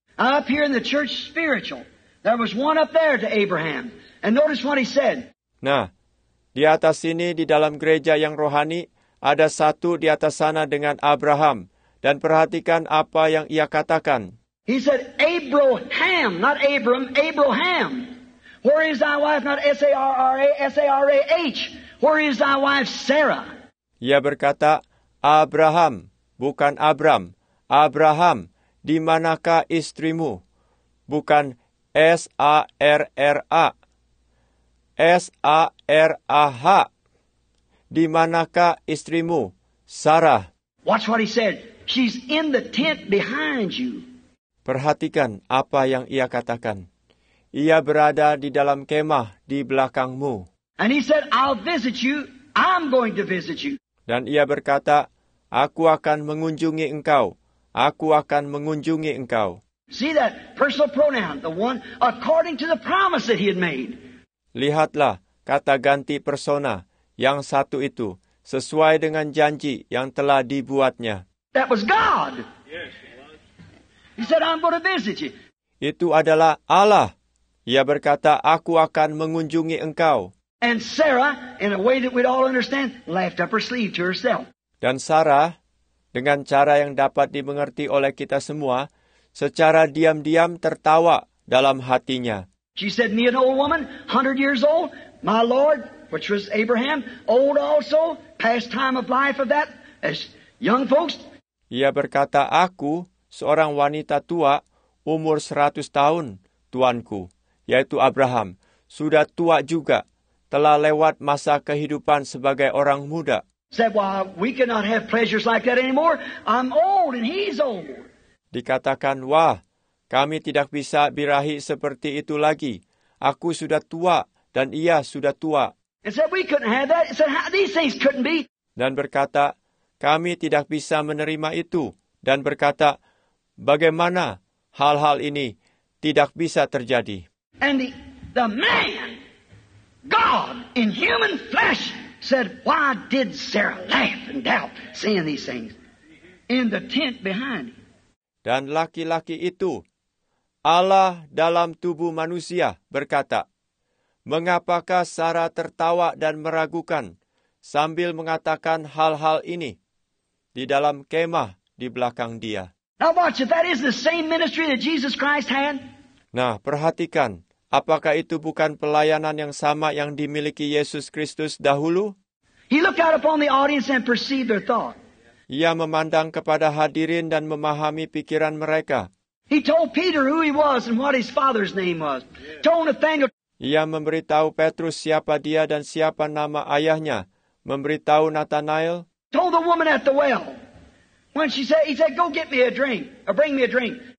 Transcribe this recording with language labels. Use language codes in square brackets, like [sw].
[en] Up here in the church spiritual, there was one up there to Abraham. And notice what he said. [id] Nah, di atas sini, di dalam gereja yang rohani, ada satu di atas sana dengan Abraham. Dan perhatikan apa yang ia katakan. [en] He said, Abraham, not Abram, Abraham. Where is thy wife? Not S-A-R-R-A, S-A-R-A-H. Where is thy wife, Sarah? [id] Ia berkata, Abraham, bukan Abram. Abraham, di manakah istrimu? Bukan S-A-R-R-A. S-A-R-A-H. Di manakah istrimu, Sarah? [en] Watch what he said. She's in the tent behind you. [id] Perhatikan apa yang ia katakan. Ia berada di dalam kemah di belakangmu. [en] And he said, I'll visit you. I'm going to visit you. [id] Dan ia berkata, Aku akan mengunjungi engkau. Aku akan mengunjungi engkau. [en] See that personal pronoun, the one according to the promise that he had made. [id] Lihatlah kata ganti persona yang satu itu sesuai dengan janji yang telah dibuatnya. [en] That was God. Yes, he said, I'm going to visit you. [id] Itu adalah Allah. Ia berkata, Aku akan mengunjungi engkau. [en] And Sarah, in a way that we'd all understand, laughed up her sleeve to herself. [id] Dan Sarah, dengan cara yang dapat dimengerti oleh kita semua, secara diam-diam tertawa dalam hatinya. [en] She said, me an old woman, 100 years old, my Lord, which was Abraham, old also, past time of life of that, as young folks. [id] Ia berkata, Aku, seorang wanita tua, umur 100 tahun, tuanku, yaitu Abraham, sudah tua juga, telah lewat masa kehidupan sebagai orang muda. [en] Said, well, we cannot have pleasures like that anymore. I'm old and he's old. [id] Dikatakan, wah, kami tidak bisa birahi seperti itu lagi. Aku sudah tua dan ia sudah tua. [en] And said, we couldn't have that. Said, these things couldn't be. [id] Dan berkata, Kami tidak bisa menerima itu dan berkata, bagaimana hal-hal ini tidak bisa terjadi. [en] And the man, God, in human flesh, said, why did Sarah laugh and doubt seeing these things in the tent behind him? [id] Dan laki-laki itu, Allah dalam tubuh manusia berkata, mengapakah Sarah tertawa dan meragukan sambil mengatakan hal-hal ini? Di dalam kemah di belakang dia. [en] Now watch, if that is the same ministry that Jesus Christ had. [id] Nah, perhatikan, apakah itu bukan pelayanan yang sama yang dimiliki Yesus Kristus dahulu? [en] He looked out upon the audience and perceived their thought. [id] Ia memandang kepada hadirin dan memahami pikiran mereka. [en] He told Peter who he was and what his father's name was. Told Nathaniel. [id] Ia memberitahu Petrus siapa dia dan siapa nama ayahnya. Memberitahu Nathanael. [en] Told the woman at the well. When she said, he said, go get me a drink, or bring me a drink.